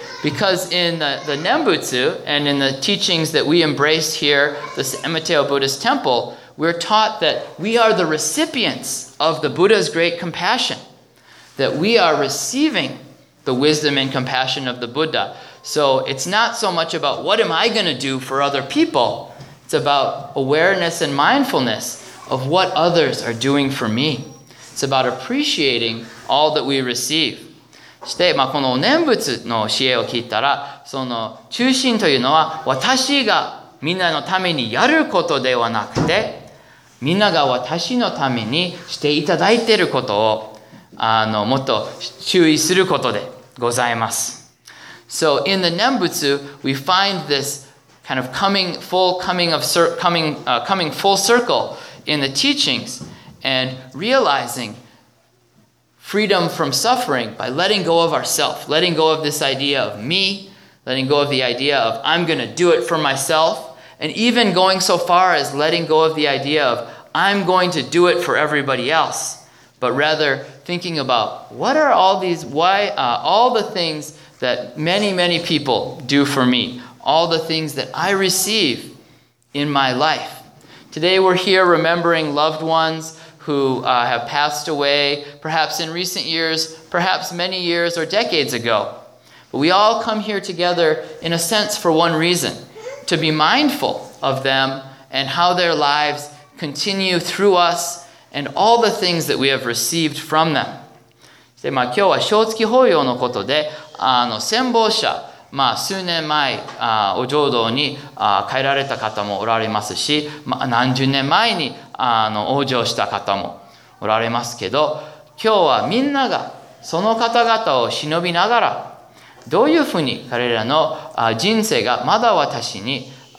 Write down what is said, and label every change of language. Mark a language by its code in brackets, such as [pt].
[en] Because in the Nembutsu and in the teachings that we embrace here, this Emiteo Buddhist Temple, we're taught that we are the recipients of the Buddha's great compassion. That we are receiving the wisdom and compassion of the Buddha. So it's not so much about what am I going to do for other people. It's It's about awareness and mindfulness of what others are doing for me. It's about appreciating all that we receive. [ja] して、まあ、このお念仏の教えを聞いたら、その中心というのは私がみんなのためにやることではなくて、みんなが私のためにしていただいていることをもっと注意することでございます。 [en] So in the Nembutsu, we find this kind of coming full circle in the teachings and realizing freedom from suffering by letting go of ourself, letting go of this idea of me, letting go of the idea of I'm going to do it for myself, and even going so far as letting go of the idea of I'm going to do it for everybody else, but rather thinking about what are all these, all the things that many, many people do for me, all the things that I receive in my life. Today we're here remembering loved ones who have passed away, perhaps in recent years, perhaps many years or decades ago. But we all come here together in a sense for one reason, to be mindful of them and how their lives continue through us and all the things that we have received from them. [ja] で、まあ、今日は正月法要のことで、先方者、まあ、数年前、お浄土に帰られた方もおられますし、まあ、何十年前に往生した方もおられますけど、今日はみんながその方々を忍びながら、どういうふうに彼らの人生がまだ私に